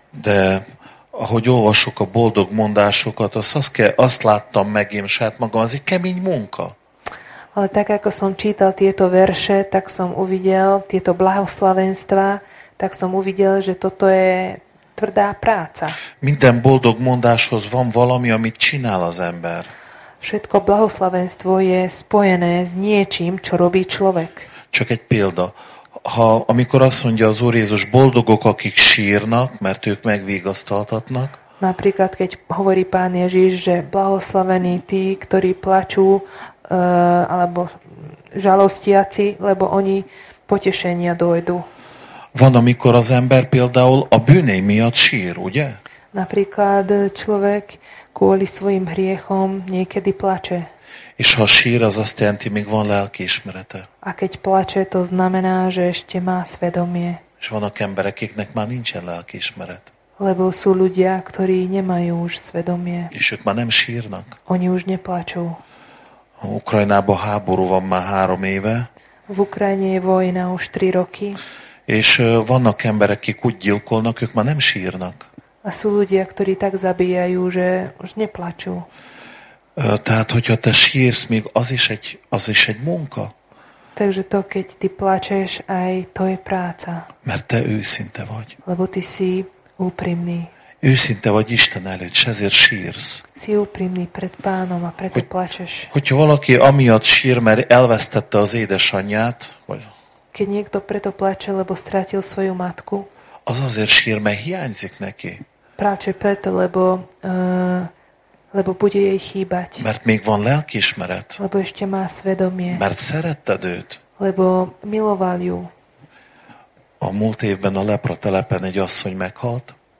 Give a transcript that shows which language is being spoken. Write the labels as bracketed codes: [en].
[hu] De ahogy olvasok a boldog mondásokat, azt láttam meg én saját magam, az egy kemény munka. [sk] Ale tak, ako som čítal tieto verše, tak som uvidel tieto blahoslavenstva, tak som uvidel, že toto je tvrdá práca. [hu] Minden boldog mondáshoz van valami, amit csinál az ember. [sk] Všetko blahoslavenstvo je spojené s niečím, čo robí človek. [hu] Csak egy példa. Ha, amikor azt mondja az Úr Jézus, boldogok, akik sírnak, mert ők megvigasztaltatnak. [sk] Napríklad, keď hovorí Pán Ježiš, že blahoslavení tí, ktorí plačú, alebo žalostiaci, lebo oni potešenia dojdu. [hu] Van, amikor az ember például a bűnei miatt sír, ugye? [sk] Napríklad človek kvôli svojim hriechom niekedy plače. [hu] És ha sír, az azt jelenti, még van lelkiismerete. [sk] A keď plače, to znamená, že ešte má svedomie. [hu] És vannak embereknek már nincsen lelkiismeret. [sk] Lebo sú ľudia, ktorí nemajú už svedomie. [hu] És ők már nem sírnak. [sk] Oni už neplačú. [hu] Ukrajnában háború van már 3 éve. [sk] V Ukrajine je vojna už 3 roky. [hu] És vannak emberek, akik úgy gyilkolnak, ők már nem sírnak. [sk] A sú ľudia, ktorí tak zabíjajú, že už neplačú. [hu] Tehát, hogyha te sírsz, még az is egy munka. [sk] Takže to, keď ty plačeš, aj to je práca. [hu] Mert te őszinte vagy. [sk] Lebo ty si úprimný. [hu] Őszinte vagy Isten előtt, s ezért sírsz. [sk] Si úprimný pred pánom, a preto plačeš. [hu] Hogyha valaki amiatt sír, mert elvesztette az édesanyját, vagy... [sk] Keď niekto preto plače, lebo strátil svoju matku. [hu] Az azért sír, mert hiányzik neki. [sk] Plače preto, lebo bude jej chýbať. [hu] Mert még van lelkiismeret. [sk] Lebo ešte má svedomie. [hu] Mert szeretted őt. [sk] Lebo miloval ju. [hu] A múlt évben a lepra telepen egy asszony meghalt.